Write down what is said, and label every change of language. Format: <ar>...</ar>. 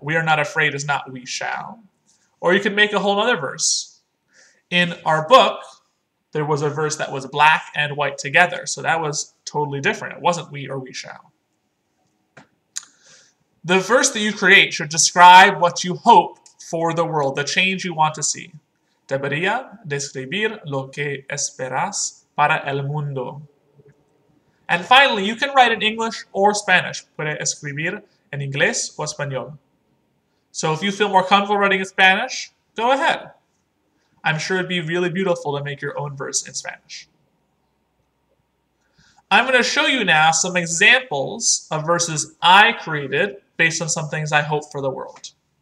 <en>We are not afraid is not we shall. Or you could make a whole other verse. In our book, there was a verse that was black and white together. So that was totally different. It wasn't we or we shall. The verse that you create should describe what you hope for the world, the change you want to see.</en> <es>Debería describir lo que esperas para el mundo.</es> <en>And finally, you can write in English or Spanish.</en> <es>Puede escribir en inglés o español.</es> <en>So if you feel more comfortable writing in Spanish, go ahead. I'm sure it'd be really beautiful to make your own verse in Spanish. I'm going to show you now some examples of verses I created based on some things I hope for the world.</en>